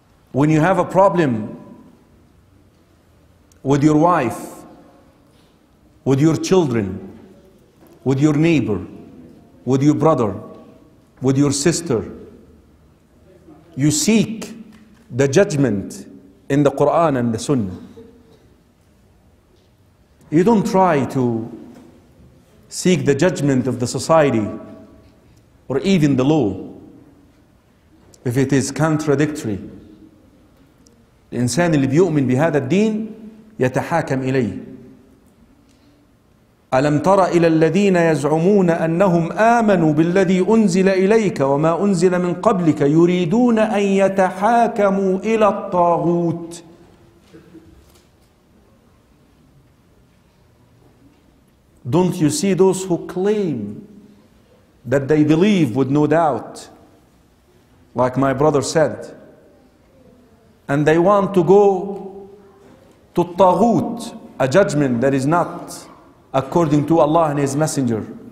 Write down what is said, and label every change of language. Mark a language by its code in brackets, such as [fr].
[en] When you have a problem with your wife, with your children, with your neighbor, with your brother, with your sister, you seek the judgment in the Quran and the Sunnah. You don't try to seek the judgment of the society or even the law if it is contradictory [ar] الانسان اللي بيؤمن بهذا الدين يتحاكم اليه الم تر الى الذين يزعمون انهم امنوا بالذي انزل اليك وما انزل من قبلك يريدون ان يتحاكموا الى الطاغوت [en] Don't you see those who claim that they believe with no doubt, like my brother said, and they want to go to Taghut, a judgment that is not according to Allah and His Messenger.